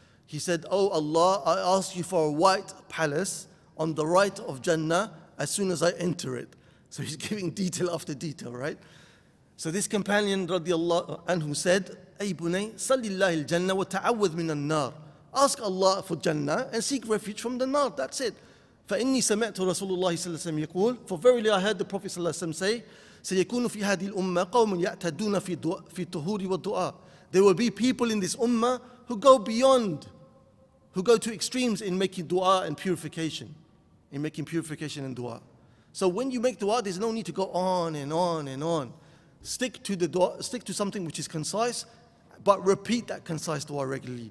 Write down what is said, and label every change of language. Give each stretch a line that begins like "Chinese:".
English: He said, oh Allah, I ask you for a white palace on the right of Jannah as soon as I enter it. So he's giving detail after detail, right? So this companion radiallahu anhu said,
Arabic: ay bunay, salillahi al-jannah wa ta'awwadh min al-nar.
English: Ask Allah for Jannah and seek refuge from the nar. That's it.
Arabic: فإني سمعت رسول الله صلى الله عليه وسلم يقول,
English: for verily I heard the Prophet
Arabic: صلى الله عليه وسلم say, سيكون في هذه الأمة قوم يعتدون في دو في الطهور والدعاء.
English: There will be people in this ummah who go beyond, who go to extremes in making dua and purification, in making purification and dua. So when you make dua, there's no need to go on and on and on. Stick to the dua, stick to something which is concise, but repeat that concise dua regularly.